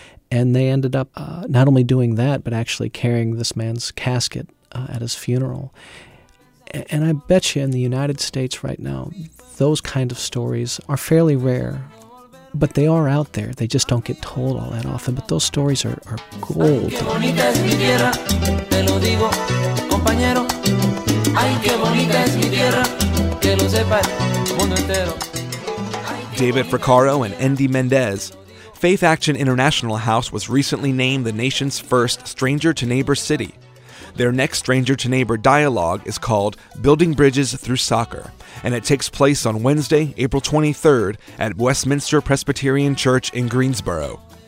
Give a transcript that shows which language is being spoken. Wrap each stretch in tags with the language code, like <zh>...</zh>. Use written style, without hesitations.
<en>And they ended up not only doing that, but actually carrying this man's casket at his funeral. And I bet you in the United States right now, those kind of stories are fairly rare, but they are out there. They just don't get told all that often. But those stories are gold.</en> <es>Ay, qué bonita es mi tierra, te lo digo, compañero. Ay, qué bonita es mi tierra, que lo sepa el mundo entero.</es> <en>David Fracaro and Endy Mendez. Faith Action International House was recently named the nation's first Stranger to Neighbor City. Their next Stranger to Neighbor dialogue is called Building Bridges Through Soccer, and it takes place on Wednesday, April 23rd at Westminster Presbyterian Church in Greensboro.</en>